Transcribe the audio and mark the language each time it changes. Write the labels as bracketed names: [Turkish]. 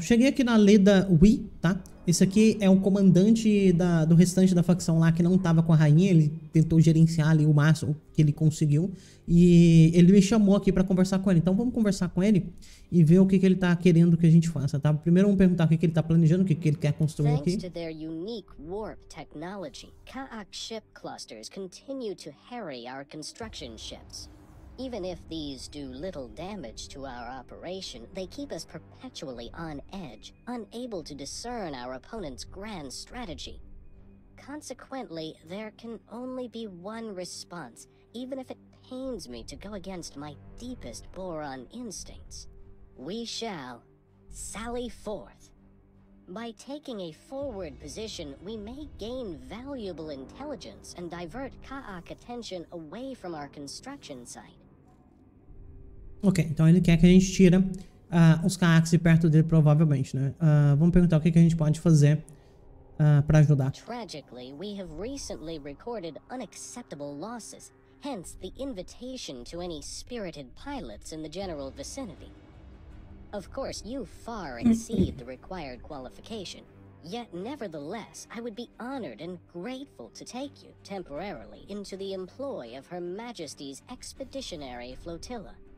[Portuguese] Cheguei aqui na Leda Wii, tá? Esse aqui é o comandante do restante da facção lá que não tava com a rainha. Ele tentou gerenciar ali o máximo que ele conseguiu. E ele me chamou aqui pra conversar com ele. Então vamos conversar com ele e ver o que ele tá querendo que a gente faça, tá? Primeiro vamos perguntar o que ele tá planejando, o que ele quer construir aqui. [English] Thanks to their unique warp technology, Kaak ship clusters continue to harry our construction ships. Even if these do little damage to our operation, they keep us perpetually on edge, unable to discern our opponent's grand strategy. Consequently, there can only be one response, even if it pains me to go against my deepest Boron instincts. We shall sally forth. By taking a forward position, we may gain valuable intelligence and divert Kaak attention away from our construction site. [Portuguese] Ok, então ele quer que a gente tira os Kaaks de perto dele, provavelmente, né? Vamos perguntar o que a gente pode fazer para ajudar. [English] Tragically, we have recently recorded unacceptable losses, hence the invitation to any spirited pilots in the general vicinity. Of course, you far exceed the required qualification. Yet, nevertheless, I would be honored and grateful to take you temporarily into the employ of Her Majesty's Expeditionary Flotilla.